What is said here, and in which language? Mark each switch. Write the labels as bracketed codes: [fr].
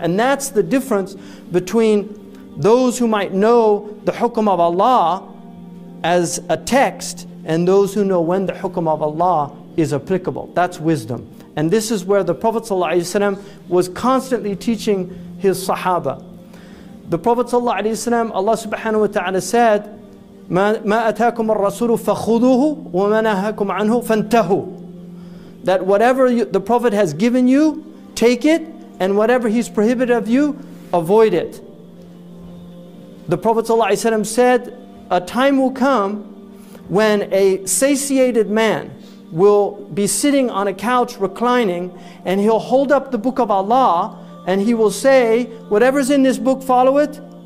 [en] And that's the difference between those who might know the hukum of Allah as a text and those who know when the hukum of Allah is applicable. That's wisdom. And this is where the Prophet ﷺ was constantly teaching his sahaba. The Prophet ﷺ, Allah subhanahu wa ta'ala said, [ar] مَا أَتَاكُمُ الرَّسُولُ فَخُذُوهُ وَمَا نَهَاكُمْ عَنْهُ فَانْتَهُوا. [en] That whatever the Prophet has given you, take it, and whatever he's prohibited of you, avoid it. The Prophet ﷺ said, a time will come when a satiated man will be sitting on a couch reclining, and he'll hold up the book of Allah, and he will say, whatever's in this book, follow it.